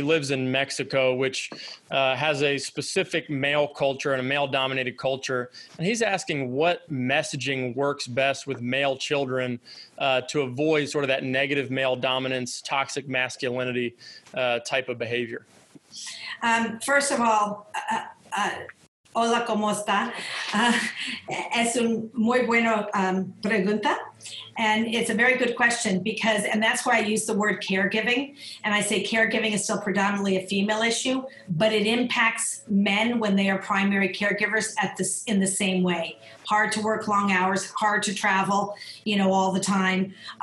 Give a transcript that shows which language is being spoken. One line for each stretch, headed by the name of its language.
English: He lives in Mexico, which has a specific male culture and a male-dominated culture. And he's asking what messaging works best with male children to avoid sort of that negative male dominance, toxic masculinity type of behavior. First of all,
Spanish: hola, ¿cómo está? Es un muy bueno pregunta.
English: And it's a very good question because, and that's why I use the word caregiving. And I say caregiving is still predominantly a female issue, but it impacts men when they are primary caregivers in the same way. Hard to work long hours, hard to travel, you know, all the time.